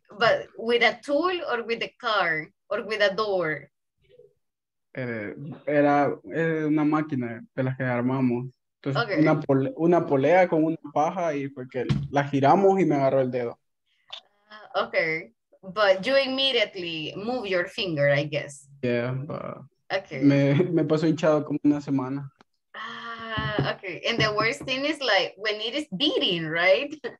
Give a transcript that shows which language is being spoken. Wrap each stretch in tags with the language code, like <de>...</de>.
<en>But with a tool or with a car or with a door?</en> <es>Era una máquina de las que armamos. Entonces, una polea con una paja y porque la giramos y me agarró el dedo.</es> <en>Okay. But you immediately move your finger, I guess. Yeah, but... Okay.</en> <es>Me pasó hinchado como una semana.</es> <en>Ah, okay. And the worst thing is like when it is beating, right?</en>